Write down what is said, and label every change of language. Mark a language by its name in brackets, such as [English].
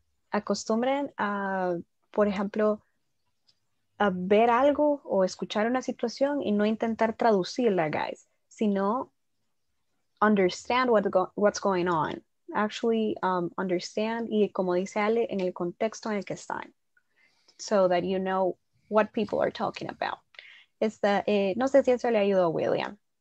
[Spanish] Acostumbren a, por ejemplo, a ver algo o escuchar una situación y no intentar traducirla, guys. [English] Sino understand what's going on. Actually, understand [Spanish] y como dice Ale, en el contexto en el que están. [English] So that you know what people are talking about. [Spanish] No sé si eso le ayudó a William.